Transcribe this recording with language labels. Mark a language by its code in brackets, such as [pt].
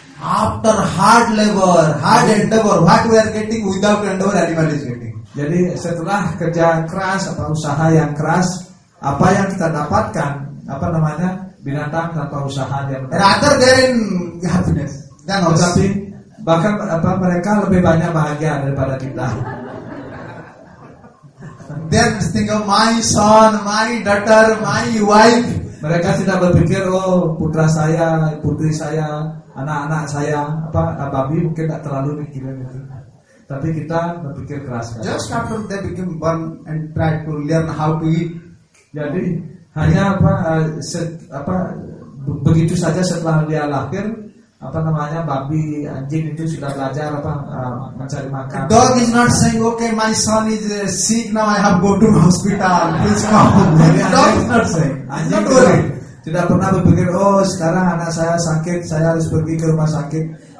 [en] After hard labor, hard endeavor, what we are getting without endeavor, animal is getting. [id] Jadi setelah kerja keras atau usaha yang keras, apa yang kita dapatkan, apa namanya, binatang tanpa usaha dia [en] rather than happiness. [id] Dan tapi bahkan apa mereka lebih banyak bahagia daripada kita. [en] Then think of my son, my daughter, my wife. [id] Mereka tidak berpikir, oh putra saya, putri saya, anak-anak saya, apa babi mungkin tidak terlalu mikirin itu. Tapi kita berpikir keras. Kan? [en] Just after they become born and try to learn how to eat. [id] Jadi hanya apa begitu saja setelah dia lahir, apa namanya babi anjing itu sudah belajar apa mencari makan. [en] Dog is not saying okay my son is sick now I have go to hospital please come. Dog is not saying. Not worried. [id] Tidak pernah berpikir oh sekarang anak saya sakit saya harus pergi ke rumah sakit.